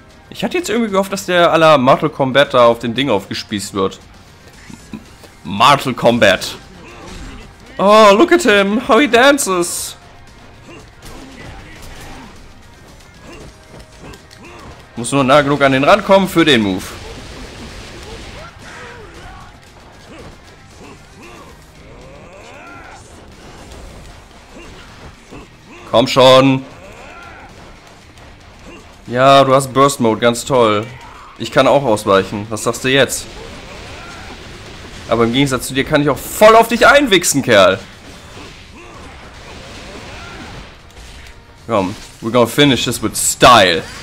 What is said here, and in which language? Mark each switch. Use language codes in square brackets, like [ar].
[de] Ich hatte jetzt irgendwie gehofft, dass der aller Mortal Kombat da auf dem Ding aufgespießt wird. Mortal Kombat. [en] Oh, look at him, how he dances. [de] Muss nur nah genug an den Rand kommen für den Move. Komm schon. Ja, du hast Burst Mode, ganz toll. Ich kann auch ausweichen. Was sagst du jetzt? Aber im Gegensatz zu dir kann ich auch voll auf dich einwichsen, Kerl. [en] Komm, we're gonna finish this with style.